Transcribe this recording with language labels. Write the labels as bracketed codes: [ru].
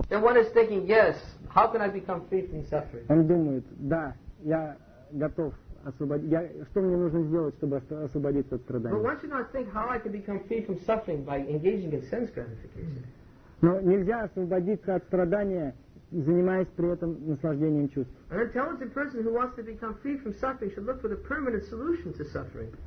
[en] And one is thinking, yes, how can I become free from suffering? [ru] Он думает, да, я готов. Что мне нужно сделать, чтобы освободиться от страданий? Но нельзя освободиться от страдания, занимаясь при этом наслаждением чувств. [en] An intelligent person who wants to become free from suffering should look for the permanent solution to suffering.